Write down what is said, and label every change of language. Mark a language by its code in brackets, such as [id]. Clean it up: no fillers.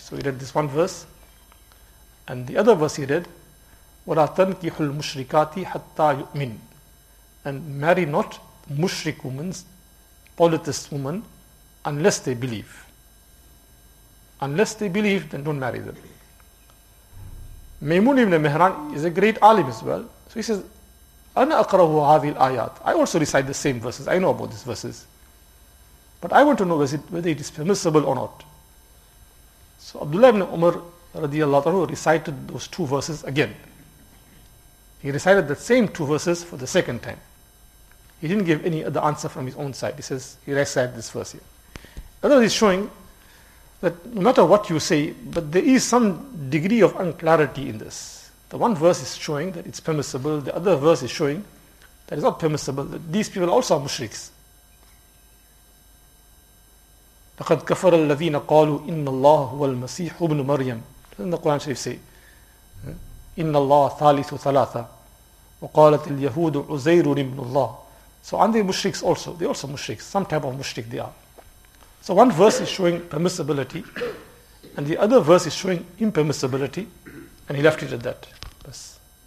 [en] So he read this one verse. And the other verse he read, [ar] وَلَا تَنْكِحُ الْمُشْرِكَاتِ حَتَّى يُؤْمِنُ. [en] And marry not mushrik women, polytheist women, unless they believe. Unless they believe, then don't marry them. Maymun ibn Mihran is a great alim as well. [ar] So he says, أَنَا أَقْرَهُ هَذِي الْآيَاتِ. [en] I also recite the same verses. I know about these verses. But I want to know whether it is permissible or not. So Abdullah ibn Umar radiallahu anhu recited those two verses again. He recited the same two verses for the second time. He didn't give any other answer from his own side. He says, he recited this verse here. Otherwise, he's showing that no matter what you say, but there is some degree of unclarity in this. The one verse is showing that it's permissible. The other verse is showing that it's not permissible. That these people also are mushriks. [ar] لَقَدْ كَفَرَ الَّذِينَ قَالُوا إِنَّ اللَّهُ هُوَ الْمَسِيحُ ابْنُ مَرْيَمُ. [en] Doesn't the Quran Sharif say, [ar] إِنَّ اللَّهَ ثَالِثُ ثَلَاثًا وَقَالَتِ الْيَهُودُ عُزَيْرٌ ابْنُ اللَّهِ. [en] So aren't they mushriks also? They also mushriks. Some type of mushrik they are. So one verse is showing permissibility, and the other verse is showing impermissibility, and he left it at that. Yes.